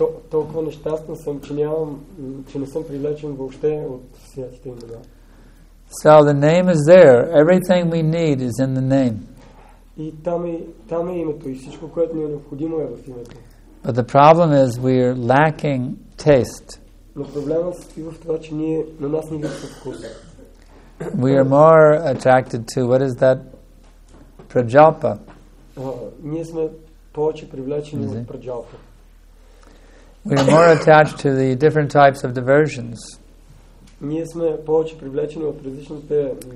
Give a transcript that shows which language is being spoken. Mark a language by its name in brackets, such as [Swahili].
[Bulgarian] Толкова нещастен съм, че нямам, че не съм привлечен въобще от святите имена. [English] So the name is there. Everything we need is in the name. [Bulgarian] И там е името, и всичко, което ни е необходимо е в името. [English] But the problem is we are lacking taste. [Bulgarian] Но проблемът е в това, че ние на нас не липсва вкус. [English] We are more attracted to what is that? [Sanskrit] Prajalpa. [Bulgarian] Ние сме повече привлечени от праджалпа. [English] We are more attached to the different types of diversions. [Bulgarian] Ние сме повече привлечени от различните